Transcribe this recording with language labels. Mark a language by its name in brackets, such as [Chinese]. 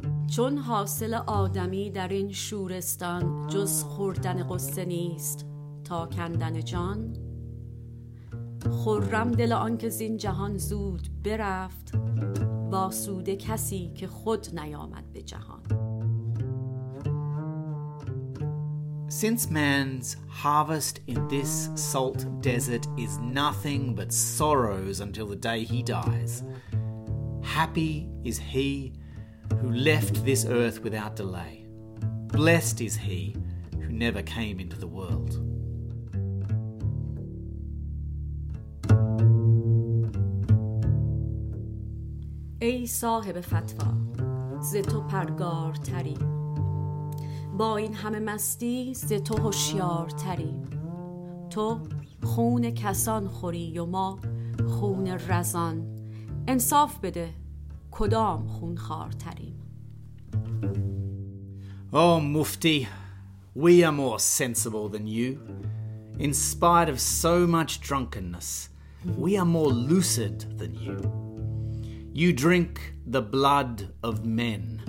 [Persian] چون حاصل آدمی در این شورستان جز خوردن قصه نیست تا کندن جان خرم دل آن که زین جهان زود برفت واسوده کسی که خود نیامد به جهان. [English] Since man's harvest in this salt desert is nothing but sorrows until the day he dies, happy is he who left this earth without delay. Blessed is he who never came into the world. [Persian] ای صاحب فتوا ز تو پرگار تری با این همه مستی ز تو هوشیار تری تو خون کسان خوری و ما خون رزان انصاف بده کدام خون خوار تریم او مفتی [English] we are more sensible than you in spite of so much drunkenness we are more lucid than you You drink the blood of men.